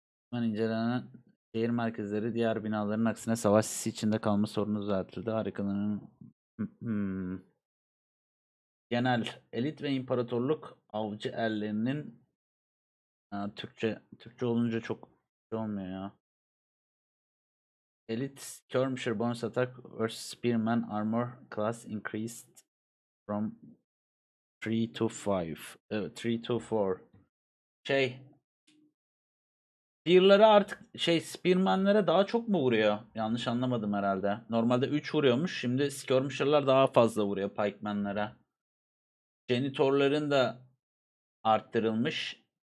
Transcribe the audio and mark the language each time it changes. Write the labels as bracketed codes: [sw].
[tr] Hemen incelenen şehir merkezleri diğer binaların aksine savaş sisi içinde kalma sorunu düzeltildi. Harikaların genel elit ve imparatorluk avcı ellerinin Türkçe olunca çok şey olmuyor ya. [en] Elit Skirmisher bonus attack versus Spearman armor class increased from 3 to 5. 3 to 4. [tr] Şey, Spear'ları artık şey Spearman'lere daha çok mu vuruyor? Yanlış anlamadım herhalde. Normalde 3 vuruyormuş. Şimdi Skirmisher'lar daha fazla vuruyor Pikeman'lere. Janitor'ların da arttırılmış.